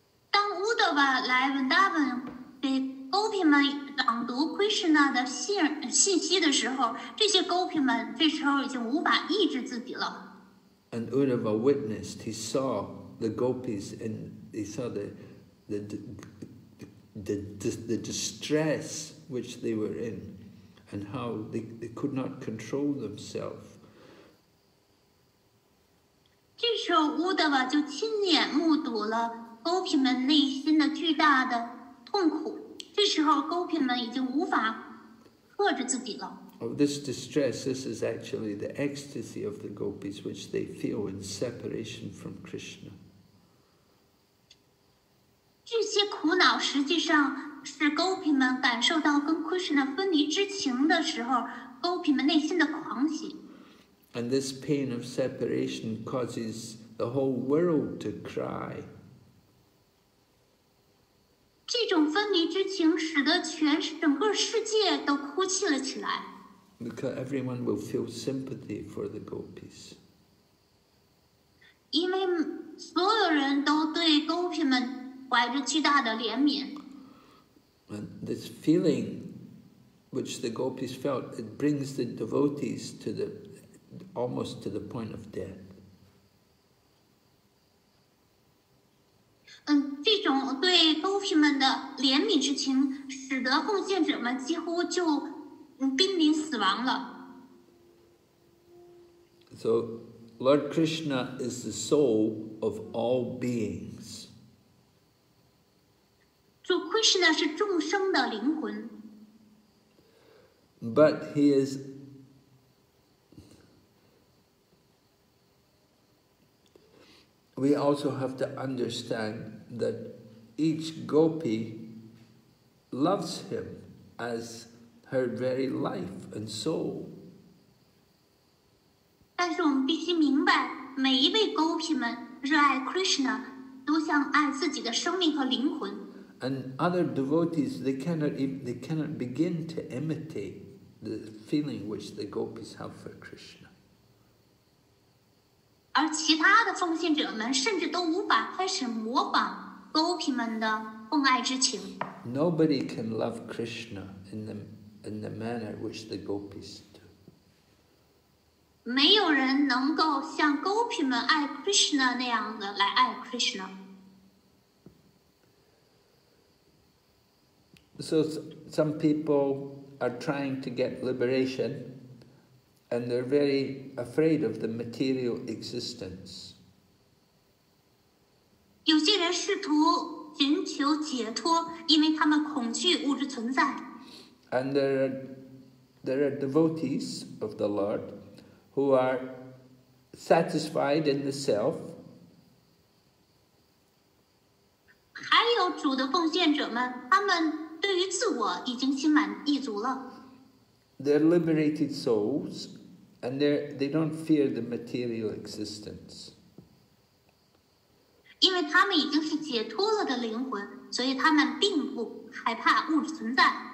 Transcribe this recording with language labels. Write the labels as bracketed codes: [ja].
[zh] 当乌德瓦来文达文给 Gopi 们朗读 Krishna 的信息的时候，这些 Gopi 们这时候已经无法抑制自己了。 [en] And Uddhava witnessed, he saw the Gopis and he saw the distress which they were in, and how they could not control themselves. [zh] 这时候乌德瓦就亲眼目睹了 Gopi 们内心的巨大的痛苦，这时候 Gopi 们已经无法克制自己了。 [en] Oh, this distress, this is actually the ecstasy of the Gopis, which they feel in separation from Krishna. [zh] 这些苦恼实际上是 Gopi 们感受到跟 Krishna 分离之情的时候 Gopi 们内心的狂喜。 [en] And this pain of separation causes the whole world to cry. [zh] 这种分离之情使得整个世界都哭泣了起来。 [en] Because everyone will feel sympathy for the gopis. [zh] 因为所有人都对 gopi 们怀着巨大的怜悯。 [en] And this feeling which the gopis felt, it brings the devotees to the... almost to the point of death. [zh] 这种对 Gopi 们的怜悯之情使得奉献者们几乎就濒临死亡了。 [en] So, Lord Krishna is the soul of all beings. [zh] 主 Krishna 是众生的灵魂。 [en] But he is... We also have to understand that each gopi loves him as her very life and soul. [zh] 但是我们必须明白，每一位 gopi 们热爱 Krishna， 都像爱自己的生命和灵魂。 [en] And other devotees, they cannot begin to imitate the feeling which the gopis have for Krishna. [zh] 而其他的奉献者们甚至都无法开始模仿 Gopi 们的奉爱之情。 [en] Nobody can love Krishna in the manner which the Gopis do. [zh] 没有人能够像 Gopi 们爱 Krishna 那样的来爱 Krishna. [en] So some people are trying to get liberation. And they're very afraid of the material existence. [zh] 有些人试图寻求解脱，因为他们恐惧物质存在。 [en] And there are devotees of the Lord who are satisfied in the self. [zh] 还有主的奉献者们，他们对于自我已经心满意足了。 [en] They're liberated souls. And they don't fear the material existence. [zh] 因为他们已经是解脱了的灵魂，所以他们并不害怕物质存在。